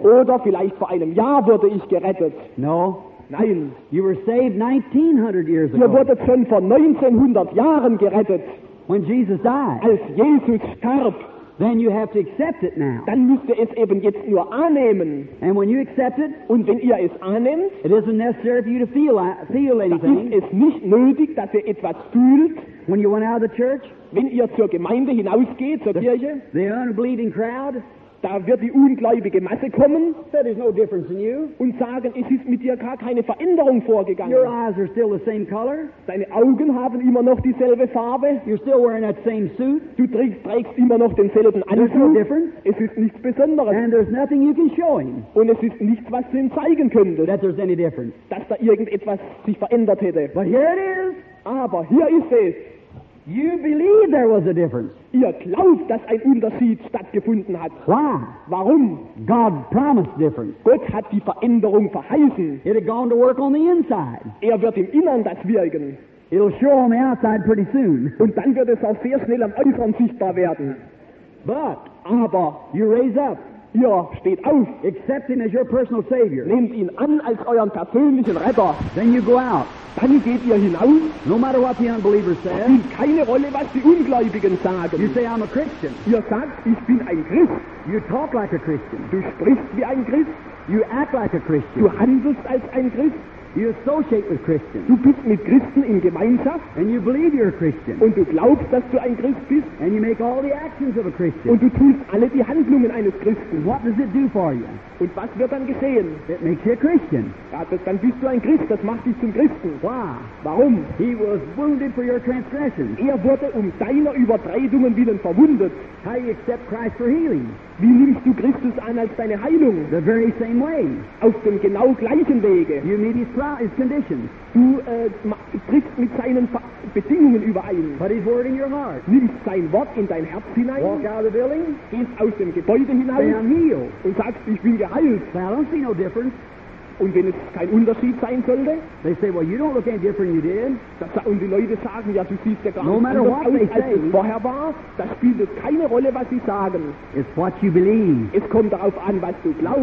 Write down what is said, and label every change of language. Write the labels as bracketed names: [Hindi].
[German] Oder vielleicht vor einem Jahr wurde ich gerettet. [English] No. [German] Nein. [English] You were saved 1900 years ago. [German] Ihr wurdet schon vor 1900 Jahren gerettet. [English] When Jesus died. [German] Als Jesus starb. [English] Then you have to accept it now. [German] Dann müsst ihr es eben jetzt nur annehmen. [English] And when you accept it, [German] und wenn ihr es annimmt, [English] it isn't necessary for you to feel anything. [German] Es ist nicht nötig, dass ihr etwas fühlt. [English] When you went out of the church, [German] wenn ihr zur Gemeinde hinausgeht, zur Kirche, [English] the unbelieving crowd, [German] da wird die ungläubige Masse kommen, [English] there is no difference in you, [German] und sagen, es ist mit dir gar keine Veränderung vorgegangen. [English] Your eyes are still the same color. [German] Deine Augen haben immer noch dieselbe Farbe. [English] You're still wearing that same suit. [German] Du trägst immer noch denselben Anzug. [English] There's no difference. [German] Es ist nichts Besonderes. [English] And there's nothing you can show him. [German] Und es ist nichts, was du ihm zeigen könntest, [English] that there's any difference. [German] Dass da irgendetwas sich verändert hätte. [English] But here it is. [German] Aber hier ist es. [English] You believe there was a difference. [German] Ihr glaubt, dass ein Unterschied stattgefunden hat. [English] Why? [German] Warum? [English] God promised difference. [German] Gott hat die Veränderung verheißen. [English] It had gone to work on the inside. [German] Er wird im Innern das wirken. [English] It'll show on the outside pretty soon. [German] Und dann wird es auch sehr schnell am Äußeren sichtbar werden. [English] But, [German] aber, [English] you raise up. [German] Ihr steht auf. [English] Accept him as your personal savior. [German] Nehmt ihn an als euren persönlichen Retter. [English] Then you go out. [German] Dann geht ihr hinaus. [English] No matter what the unbeliever says. [German] Spielt keine Rolle, was die Ungläubigen sagen. [English] You say, I'm a Christian. [German] Ihr sagt, ich bin ein Christ. [English] You talk like a Christian. [German] Du sprichst wie ein Christ. [English] You act like a Christian. [German] Du handelst als ein Christ. [English] You associate with Christians. [German] Du bist mit Christen in Gemeinschaft. [English] And you believe you're a Christian. [German] Und du glaubst, dass du ein Christ bist. [English] And you make all the actions of a Christian. [German] Und du tust alle die Handlungen eines Christen. [English] What does it do for you? [German] Und was wird dann geschehen? [English] It makes you a Christian. [German] Ja, dann bist du ein Christ. Das macht dich zum Christen. [English] Why? [German] Warum? [English] He was wounded for your transgressions. [German] Er wurde um deiner Übertretungen willen verwundet. [English] How you accept Christ for healing? [German] Wie nimmst du Christus an als deine Heilung? [English] The very same way. [German] Auf dem genau gleichen Wege. [English] You need his conditions. [German] Du trittst mit seinen Bedingungen überein. [English] Put his word in your heart. [German] Nimmst sein Wort in dein Herz hinein. [English] Walk out of the building. [German] Gehst aus dem Gebäude hinaus. [English] Then I'm healed. [German] Und sagst, ich bin geheilt. [English] Now, I don't see no difference. [German] Und wenn es kein Unterschied sein sollte, [English] they say, well, you don't look any different than you did. [German] Und die Leute sagen, ja, du siehst ja gar [English] no [German] nicht anders [English] what [German] aus, [English] they [German] als [English] say, [German] es vorher war. Das spielt es keine Rolle, was sie sagen. [English] It's what you believe. [German] Es kommt darauf an, was du glaubst.